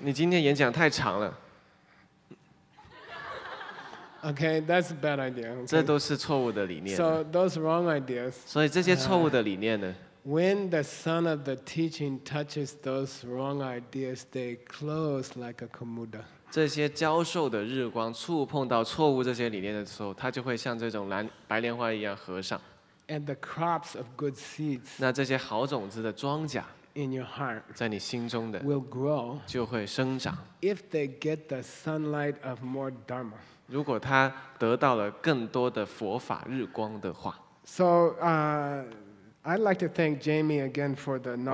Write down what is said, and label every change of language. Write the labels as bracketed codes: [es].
[zh] 你今天演讲太长了。 [en] Okay, that's a bad idea. [zh] 这都是错误的理念。 [en] So those wrong ideas. [zh] 所以这些错误的理念呢 [en] ？When the sun of the teaching touches those wrong ideas, they close like a kumuda. [zh] 这些教授的日光触碰到错误这些理念的时候，它就会像这种白莲花一样合上。 [en] And the crops of good seeds. [zh] 那这些好种子的庄稼。 [en] in your heart [zh] 在你心中的 [en] will grow [zh] 就会生长 [en] if they get the sunlight of more dharma [zh] 如果他得到了更多的佛法日光的话 [en] So I'd like to thank Jamie again for the knowledge